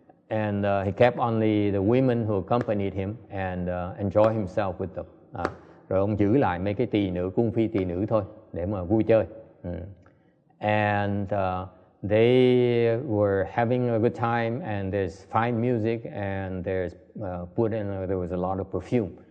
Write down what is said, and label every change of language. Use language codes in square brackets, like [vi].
[en] And he kept only the women who accompanied him and enjoy himself with them. [vi] Rồi ông giữ lại mấy cái tỳ nữ, cung phi tỳ nữ thôi để mà vui chơi. [en] And they were having a good time, and there's fine music, and there's put in there was a lot of perfume.